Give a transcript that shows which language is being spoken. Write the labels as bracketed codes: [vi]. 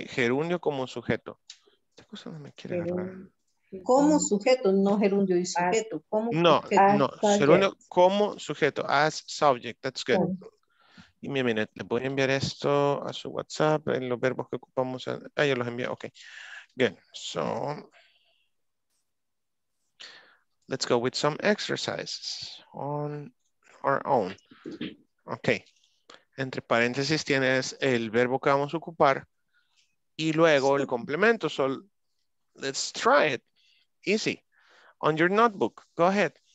[es] Gerundio como sujeto. Esta cosa no me quiere agarrar. Como sujeto, no gerundio y sujeto. No, no. Gerundio como sujeto. [en] As subject. That's good. Give me a minute. [es] Les voy a enviar esto a su WhatsApp. En los verbos que ocupamos. Ah, yo los envié. Ok. Good. [en] So, let's go with some exercises on our own. Ok. [es] Entre paréntesis tienes el verbo que vamos a ocupar y luego el complemento. [en] So, let's try it. Easy. On your notebook. Go ahead.